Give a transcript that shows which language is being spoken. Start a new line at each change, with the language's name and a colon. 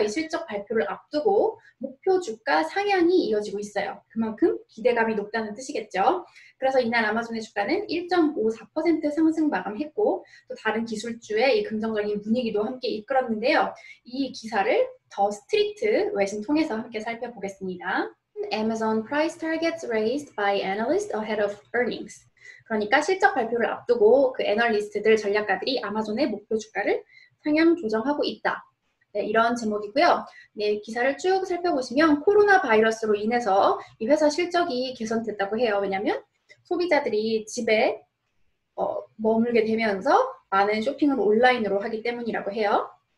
Korean: 이 실적 발표를 앞두고 목표 주가 상향이 이어지고 있어요. 그만큼 기대감이 높다는 뜻이겠죠. 그래서 이날 아마존의 주가는 1.54% 상승 마감했고, 또 다른 기술주의 이 긍정적인 분위기도 함께 이끌었는데요. 이 기사를 더 스트리트 외신 통해서 함께 살펴보겠습니다.
English: Amazon price targets raised by analysts ahead of earnings.
Korean: 그러니까 실적 발표를 앞두고 그 애널리스트들, 전략가들이 아마존의 목표 주가를 상향 조정하고 있다. 네, 이런 제목이고요. 네, 기사를 쭉 살펴보시면 코로나 바이러스로 인해서 이 회사 실적이 개선됐다고 해요. 왜냐면 소비자들이 집에 머물게 되면서 많은 쇼핑을 온라인으로 하기 때문이라고 해요.